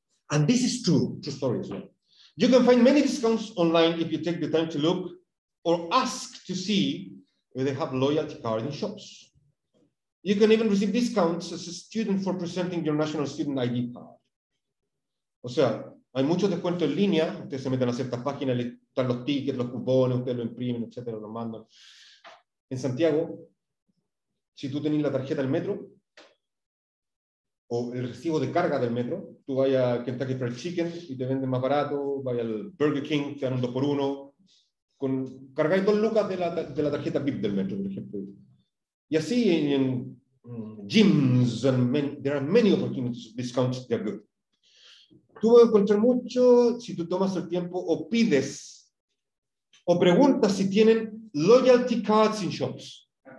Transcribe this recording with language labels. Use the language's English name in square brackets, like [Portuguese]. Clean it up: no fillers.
[English] And this is true, true story as well. You can find many discounts online if you take the time to look or ask to see if they have loyalty card in shops. You can even receive discounts as a student for presenting your national student ID card. [Spanish] O sea, hay muchos descuentos en línea. Ustedes se meten a ciertas páginas, están los tickets, los cupones, ustedes lo imprimen, etcétera, los mandan. En Santiago, si tú tenés la tarjeta del metro o el recibo de carga del metro, tú vas a Kentucky Fried Chicken y te venden más barato, vas al Burger King, te dan un 2x1, cargáis 2 lucas de la tarjeta VIP del metro, por ejemplo. Y así en [English] gyms, and many, there are many opportunities, discounts, they are good. Tú vas a encontrar mucho si tú tomas el tiempo o pides o preguntas si tienen loyalty cards in shops.